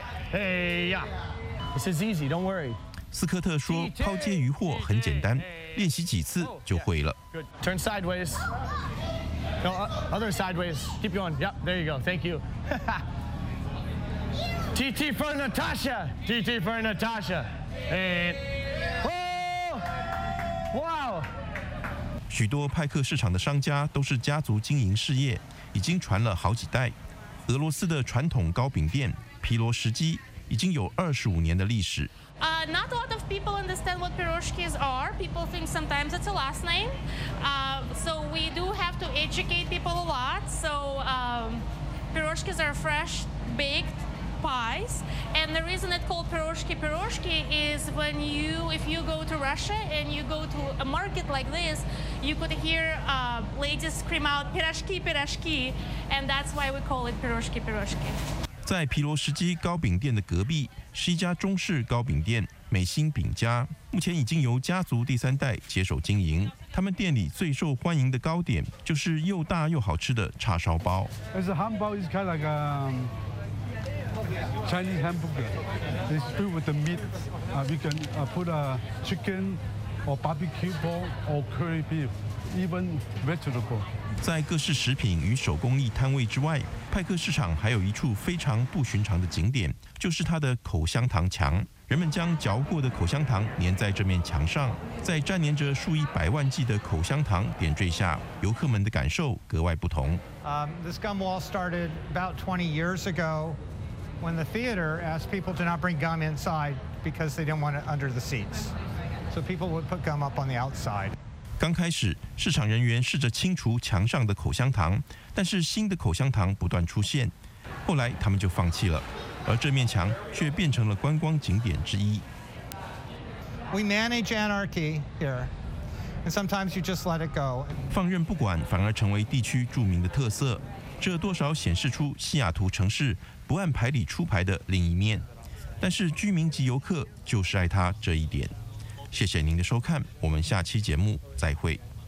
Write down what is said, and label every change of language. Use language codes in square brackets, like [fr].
[en] This is easy. Don't worry. [zh] 斯科特说，抛接鱼货很简单，练习几次就会了。 [en] Good. Turn sideways. No, other sideways. Keep going. Yep. There you go. Thank you. TT for Natasha. TT for Natasha. Hey. Whoa. Wow. [zh] 许多派克市场的商家都是家族经营事业，已经传了好几代。俄罗斯的传统糕饼店皮罗什基已经有25年的历史。 [en] Not a lot of people understand what pierogies are. People think sometimes it's a last name. So we do have to educate people a lot. So pierogies are fresh baked pies. And the reason it's called pierogi is when you, if you go to Russia and you go to a market like this, you could hear ladies scream out pierogi. And that's why we call it pierogi. [zh] 在皮罗什基糕饼店的隔壁是一家中式糕饼店美心饼家，目前已经由家族第三代接手经营。他们店里最受欢迎的糕点就是又大又好吃的叉烧包。 [en] It's a hamburger, it's kind of like a Chinese hamburger. It's filled with the meat. We can put a chicken or barbecue pork or curry beef, even vegetable. [zh] 在各式食品与手工艺摊位之外，派克市场还有一处非常不寻常的景点，就是它的口香糖墙。人们将嚼过的口香糖粘在这面墙上，在粘黏着数以百万计的口香糖点缀下，游客们的感受格外不同。 [en] This gum wall started about 20 years ago when the theater asked people to not bring gum inside because they didn't want it under the seats. So people would put gum up on the outside. [zh] 刚开始，市场人员试着清除墙上的口香糖，但是新的口香糖不断出现，后来他们就放弃了，而这面墙却变成了观光景点之一。 [en] We manage anarchy here, and sometimes you just let it go. [zh] 放任不管反而成为地区著名的特色，这多少显示出西雅图城市不按牌理出牌的另一面，但是居民及游客就是爱它这一点。谢谢您的收看，我们下期节目再会。